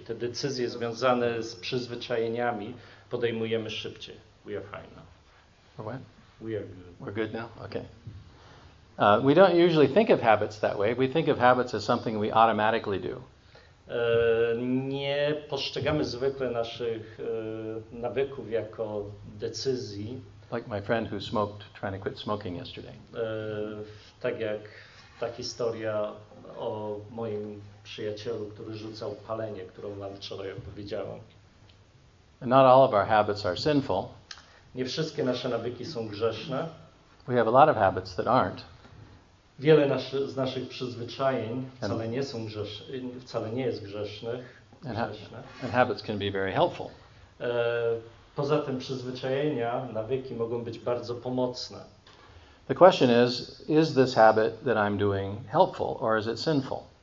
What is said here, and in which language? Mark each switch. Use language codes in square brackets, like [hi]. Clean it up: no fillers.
[pl] Te decyzje związane z przyzwyczajeniami podejmujemy szybciej. [en] We are fine now. For what? We are good. We're good now? Okay. We don't usually think of habits that way. We think of habits as something we automatically do. [pl] Nie postrzegamy zwykle naszych nawyków jako decyzji. [en] Like my friend who smoked, trying to quit smoking yesterday. [pl] Tak jak ta historia o moim przyjacielu, który rzucał palenie, którą wam wczoraj opowiedziałam. [en] Not all of our habits are sinful. [pl] Nie wszystkie nasze nawyki są grzeszne. [en] We have a lot of habits that aren't. [pl] Wiele z naszych przyzwyczajeń wcale nie są grzeszne, wcale nie jest grzesznych. [en] And habits can be very helpful. [pl] Poza tym przyzwyczajenia, nawyki mogą być bardzo pomocne. [en] The question is this habit that I'm doing helpful or is it sinful?